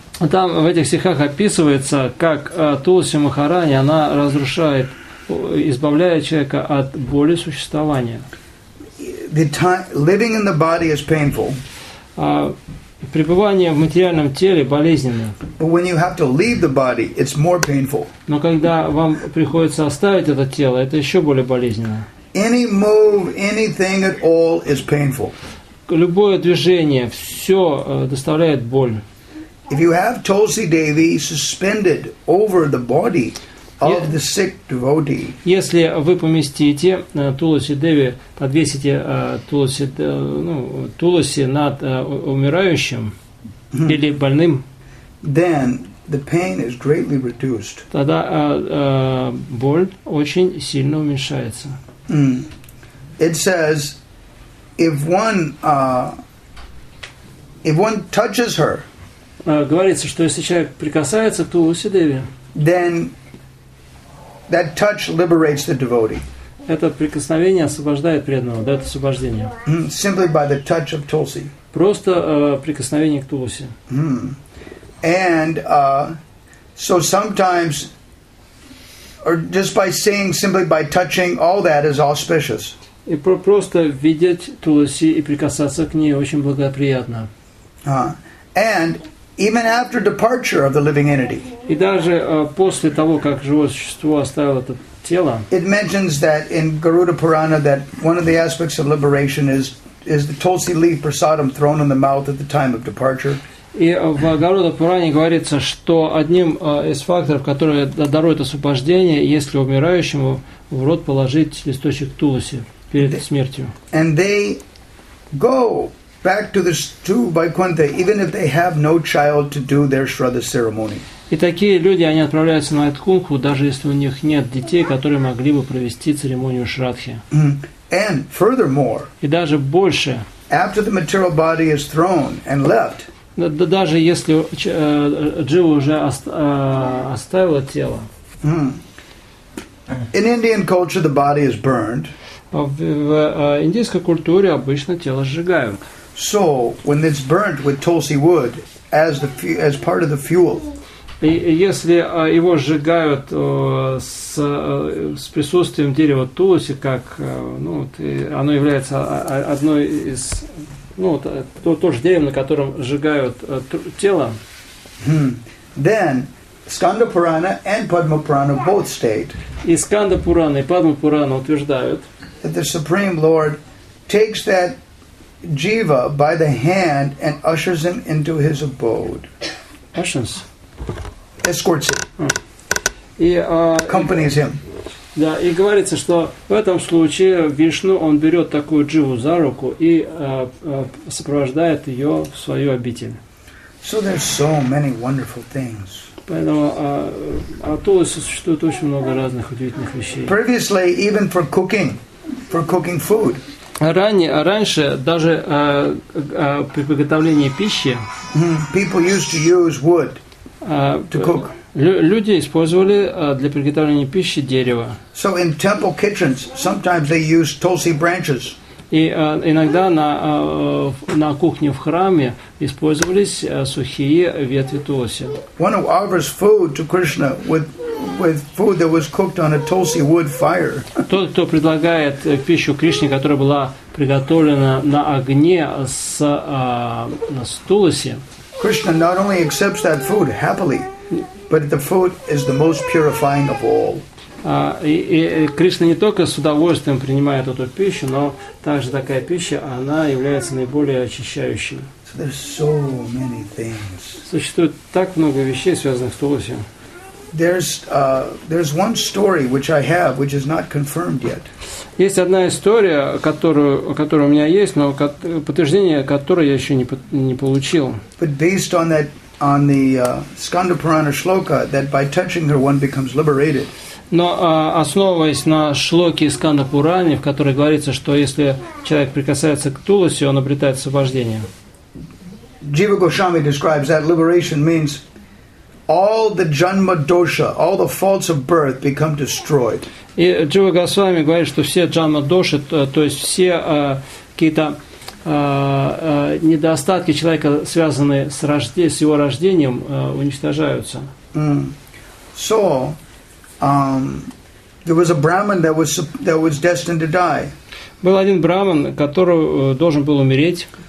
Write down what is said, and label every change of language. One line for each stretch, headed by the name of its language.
Russian: Там в этих стихах описывается, как Тулси Махарани, она разрушает, избавляет человека от боли существования.
English: The time, living in the body is painful.
Russian: И пребывание в материальном теле болезненно.
English: But when you have to leave the body, it's more painful.
Russian: Но когда вам приходится оставить это тело, это еще более болезненно.
English: Any move, anything at all is painful.
Russian: Любое движение, все доставляет боль.
English: If you have Tulsi Devi suspended over the body of the sick devotee,
Russian: если вы поместите Тулоси Деви, подвесите Тулоси, ну, Тулоси над умирающим или больным,
English: then the pain is greatly reduced.
Russian: Тогда боль очень сильно уменьшается.
English: It says, if one touches her,
Russian: говорится, что если человек прикасается к Тулоси Деви,
English: then that touch liberates the devotee.
Russian: Это прикосновение освобождает преданного, дает освобождение.
English: Simply by the touch of Tulsi.
Russian: Просто прикосновение к Тулоси.
English: And so sometimes, or just by seeing, simply by touching, all that is auspicious.
Russian: И просто видеть Тулоси и прикасаться к ней очень благоприятно.
English: And even after departure of the living entity.
Russian: И даже после того, как живое существо оставило это тело.
English: It mentions that in Garuda Purana that one of the aspects of liberation is the Tulsi leaf prasadam thrown in the mouth at the time of departure.
Russian: И в Гаруда Пуране говорится, что одним из факторов, которые даруют освобождение, если умирающему в рот положить листочек Тулоси.
English: And they go back to this to Vaikuntha even if they have no child to do their shraddha ceremony.
Russian: И такие люди, они отправляются на Вайкунтху, даже если у них нет детей, которые могли бы провести церемонию шрадхи.
English: And furthermore,
Russian: и даже больше,
English: after the material body is thrown and left,
Russian: даже если джива уже оставила тело,
English: in Indian culture the body is burned.
Russian: В индийской культуре обычно тело сжигают.
English: So when it's burnt with Tulsi wood as part of the fuel.
Russian: И если его сжигают с присутствием дерева Тулоси, как ну, оно является одной из ну, тоже деревом, на котором сжигают тело.
English: Then Skanda Purana and Padma Purana both state.
Russian: И Skanda Purana и Padma Purana утверждают.
English: That the Supreme Lord takes that jiva by the hand and ushers him into his abode. Ushers. Escorts him. Accompanies him.
Russian: Да, и говорится, что в этом случае Вишну он берет такую дживу за руку и сопровождает ее в свою обитель.
English: So there's so many wonderful things.
Russian: Поэтому от Тулоси существует очень много разных удивительных вещей.
English: Previously, even for cooking. For cooking food.
Russian: Раньше даже при приготовлении пищи
English: people used to use wood to cook.
Russian: Люди использовали для приготовления пищи дерево.
English: So in temple kitchens, sometimes they used Tulsi branches.
Russian: И иногда на кухне в храме использовались сухие ветви Тулоси.
English: One who offers food to Krishna with food that was cooked on a Tulsi wood fire.
Russian: Тот, кто предлагает пищу Кришне, которая была приготовлена на огне с Тулоси.
English: Krishna not only accepts that food happily, but the food is the most purifying of all.
Russian: И Кришна не только с удовольствием принимает эту пищу, но также такая пища, она является наиболее очищающей.
English: So there's so many things.
Russian: Существует так много вещей, связанных с Тулоси.
English: There's one story which I have, which is not confirmed yet.
Russian: Есть одна история, которая у меня есть, но подтверждение которой я еще не получил.
English: But based on that, on the Skanda Purana shloka, that by touching her one becomes liberated.
Russian: Но основываясь на шлоке Skanda Purana, в которой говорится, что если человек прикасается к Тулоси, он обретает освобождение.
English: Jiva Goswami describes that liberation means. All the janma dosha, all the faults of birth become destroyed.
Russian: И Джива Госвами говорит, что все джанма доши, то есть все какие-то недостатки человека, связанные с его рождением, уничтожаются.
English: So, there was a brahmin that was destined to die.
Russian: Был один брахман, который должен был умереть.